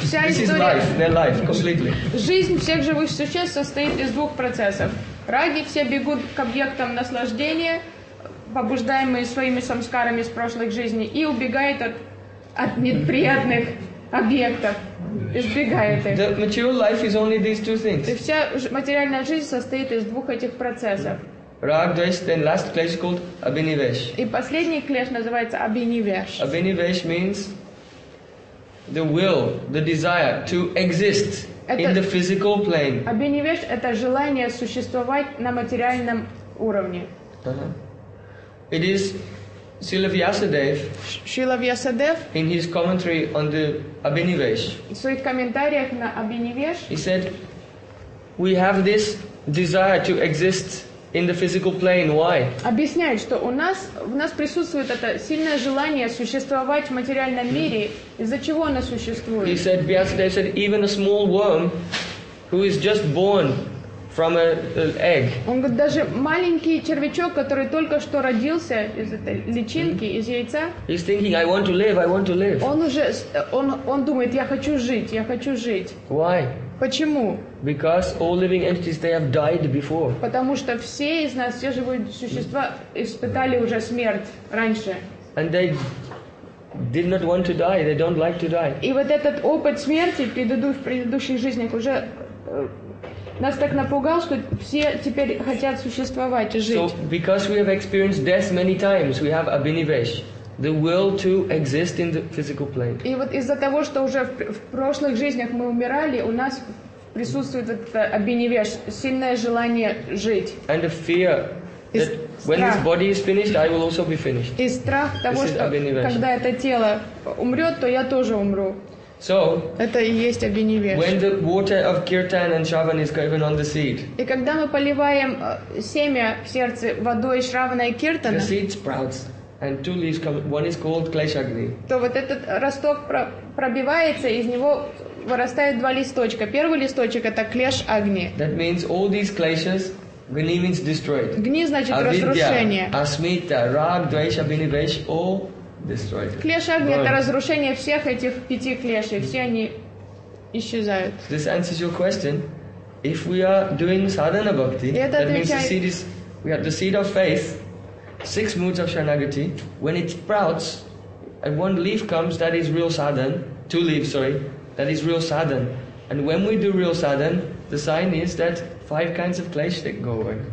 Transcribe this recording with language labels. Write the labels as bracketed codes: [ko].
[en] This is life, their life, completely. [ru] Жизнь всех живых существ состоит из двух процессов. Раги все бегут к объектам наслаждения, побуждаемые своими самскарами из прошлых жизней, и убегают от неприятных объектов. Избегает их. [en] The material life is only these two things. [ru] И вся материальная жизнь состоит из двух этих процессов. [en] Rag, dvesh, then last klesh called abhinivesh. [ru] И последний клеш называется абинивеш. Абинивеш means the will, the desire to exist in the physical plane. Абинивеш – это желание существовать на материальном уровне. [en] It is Srila Vyasadev. Srila Vyasadev. In his commentary on the Abhinivesh. [ru] В своих комментариях на Абхинивеш. [en] He said, "We have this desire to exist in the physical plane. Why?" [ru] Объясняет, что у нас присутствует это сильное желание существовать в материальном мире. Из-за чего оно существует? [en] He said, Vyasadev said, "Even a small worm, who is just born." From an egg. [ru] Он говорит, даже маленький червячок, который только что родился из этой личинки, из яйца. [en] He's thinking, I want to live, I want to live. [ru] Он думает, я хочу жить, я хочу жить. [en] Why? [ru] Почему? [en] Because all living entities they have died before. [ru] Потому что все из нас, все живые существа испытали уже смерть раньше. [en] And they did not want to die. They don't like to die. [ru] И вот этот опыт смерти в предыдущих жизнях уже нас так напугал, что все теперь хотят существовать и жить. [en] So, because we have experienced death many times, we have abhinivesh, the will to exist in the physical plane. [ru] И вот из-за того, что уже в прошлых жизнях мы умирали, у нас присутствует это абхинивеш, сильное желание жить. [en] And the fear that when this body is finished, I will also be finished. [ru] И страх того, что когда это тело умрет, то я тоже умру. [en] So, [ru] это и есть абхинивеш. [en] When the water of kirtan and shravan is given on the seed. [ru] И когда мы поливаем семя в сердце водой шравана и киртана. [en] The seed sprouts and two leaves come. One is called kleshagni. [ru] То вот этот росток пробивается, из него вырастает два листочка. Первый листочек это клеш агни. [en] That means all these kleshas, gni means destroyed. [ru] Гни значит разрушение. [en] Asmita, rag, dvesh, abhinivesh, all. [ru] Клеш огня – это разрушение всех этих пяти клешей. Все они исчезают. [en] This answers your question. If we are doing sadhana bhakti, that means the seed is, we have the seed of faith, six moods of shanagati. When it sprouts, and one leaf comes, that is real sadhan. Two leaves, sorry, that is real sadhan. And when we do real sadhan, the sign is that five kinds of klesh that go away.